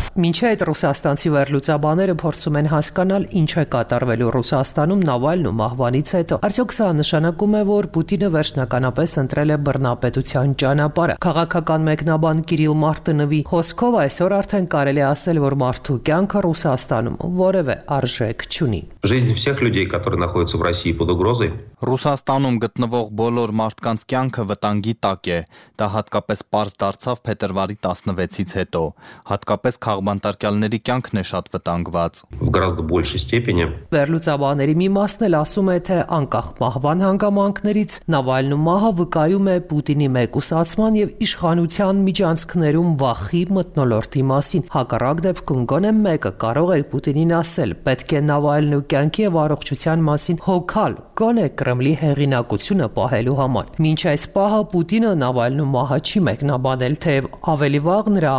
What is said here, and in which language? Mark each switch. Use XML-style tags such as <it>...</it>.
<hy>Մինչ այդ ռուսաստանցի վերլուծաբաները փորձում են հասկանալ, ինչ է կատարվելու Ռուսաստանում Նավալնու մահվանից հետո։ Արդյոք սա նշանակում է, որ Պուտինը վերջնականապես ընտրել է բռնապետության ճանապարհը։ Քաղաքական մեկնաբան Կիրիլ Մարտինովի խոսքով այսօր արդեն կարելի ասել, որ մարդու կյանքը Ռուսաստանում որևէ արժեք չունի։</hy> <ru>Жизнь всех людей, которые находятся в России под угрозой.</ru> <hy>Ռուսաստանում գտնվող բոլոր մարդկանց կյանքը վտանգի տակ է, դա հատկապես պարզ դարձավ փետրվարի 16-ից հետո, հատկապես քաղբանտարկյալների կյանքն է շատ վտանգված։ Վերլուծաբաների մի մասն էլ ասում է, թե անկախ մահվան հանգամանքներից Նավալնու մահը վկայում է Պուտինի մեկուսացման և իշխանության միջանցքներում վախի մթնոլորտի մասին։ Հակառակ դեպքում գոնե մեկը կարող էր Պուտինին ասել, պետք է Նավալնու կյանքի և առողջության մասին հոգալ, գոնե Կրեմլի հեղինակությունը պահելու համար։ Մինչ այս պահը Պուտինը Նավալնու մահը չի մեկնաբանել, թեև ավելի վաղ նրա</hy>